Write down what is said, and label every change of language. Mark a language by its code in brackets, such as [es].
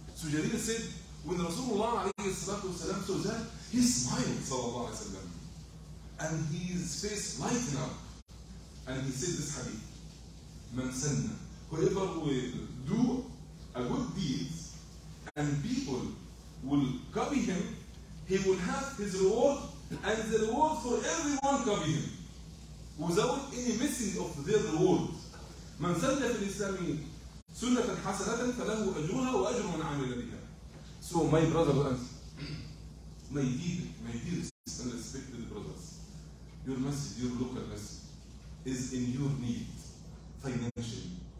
[en] So Jarir said, when Rasulullah alayhi salatu wasalam saw that, he smiled sallallahu alayhi wasallam, and his face lightened up, and he said this hadith, man sanna, whoever will do a good deed and people will copy him, he will have his reward and the reward for everyone copy him without any missing of their reward. [ar] من سنة في الإسلام سنة حسنة فله أجرها وأجر من عمل بها. [en] So my brother and my dearest and respected brothers, your message, your local message is in your need financially.